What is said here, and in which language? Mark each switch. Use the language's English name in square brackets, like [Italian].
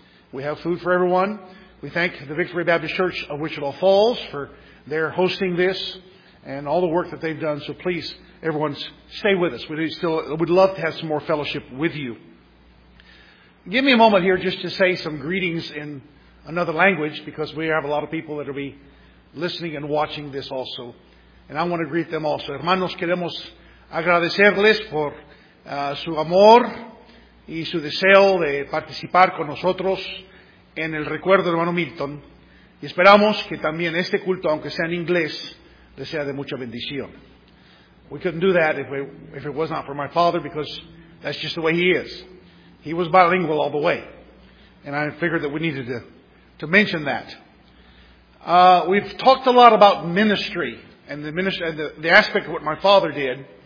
[English] We have food for everyone. We thank the Victory Baptist Church of Wichita Falls for their hosting this and all the work that they've done. So please, everyone, stay with us. We'd love to have some more fellowship with you. Give me a moment here just to say some greetings in another language, because we have a lot of people that will be listening and watching this also. And I want to greet them also. [Spanish] Hermanos, queremos agradecerles por su amor y su deseo de participar con nosotros en el recuerdo de hermano Milton. Y esperamos que también este culto, aunque sea en inglés, le sea de mucha bendición. [English] We couldn't do that if it was not for my father, because that's just the way he is. He was bilingual all the way. And I figured that we needed to mention that. We've talked a lot about ministry and the aspect of what my father did.